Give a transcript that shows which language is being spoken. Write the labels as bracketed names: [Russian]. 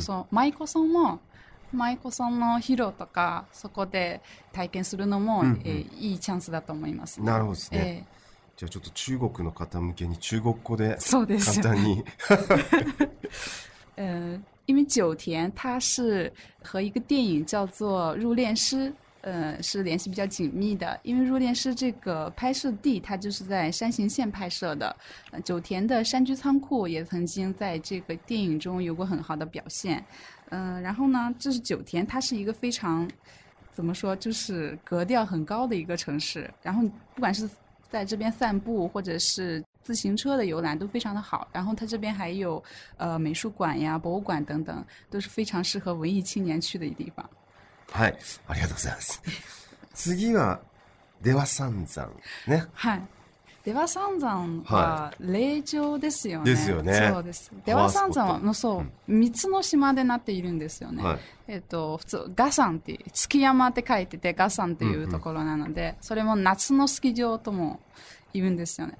[Japanese] 舞妓さんも、舞妓さんの披露とかそこで体験するのも、うんうん、いいチャンスだと思います。なるほどですね、じゃあちょっと中国の方向けに中国語で簡単に、そうですよ [Chinese] 因为九田他是和一个电影叫做入殓师是联系比较紧密的，因为入殓师这个拍摄地它就是在山形县拍摄的，九田的山居仓库也曾经在这个电影中有过很好的表现。然后呢，这是九田，它是一个非常怎么说，就是格调很高的一个城市，然后不管是在这边散步或者是自行车的游览都非常的好，然后它这边还有美术馆呀、博物馆等等，都是非常适合文艺青年去的一地方。 [Japanese] はい、ありがとうございます。次は出羽三山ね。はい、出羽三山は霊場ですよね。ですよね。そうです。出羽三山はのそう三つの島でなっているんですよね。はい、普通ガサンっていう月山って書いててガサンっていうところなので、うんうん、それも夏のスキー場とも言うんですよね。